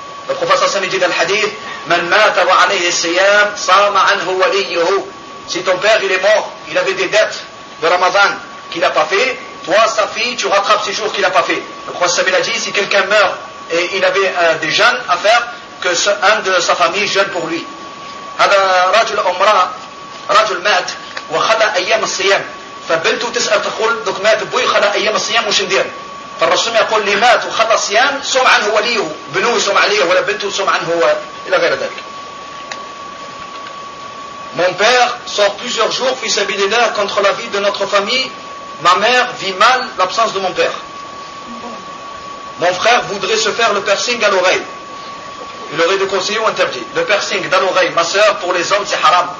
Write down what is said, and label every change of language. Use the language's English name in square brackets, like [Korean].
[French] Le prophète Hassan dit dans le hadith, « [Arabic] Man mata wa alayhi siyam, sama anhu waliyuhu. [French] » Si ton père, il est mort, il avait des dettes de ramadan qu'il n'a pas fait, toi, sa fille, tu rattrapes ces jours qu'il n'a pas fait. Le prophète Hassan a dit, « Si quelqu'un meurt, et il avait des jeûnes à faire, que un de sa famille jeûne pour lui. [Arabic] هذا رجل أمرأة رجل مات وخلى أيام الصيام فبنته تسأل تقول دوك مات بوي خلى أيام الصيام وش ندير فالرسول يقول لي مات وخلى الصيام سمع عنه وليه بنوه سمع عليه ولا بنته سمع عنه إلى غير ذلك. [French] Mon père sort plusieurs jours fils abîmé contre la vie de notre famille. Ma mère vit mal l'absence de mon père. Mon frère voudrait se faire le piercing à l'oreille. Il aurait de conseiller ou interdit. Le piercing dans l'oreille, ma soeur, pour les hommes, c'est haram.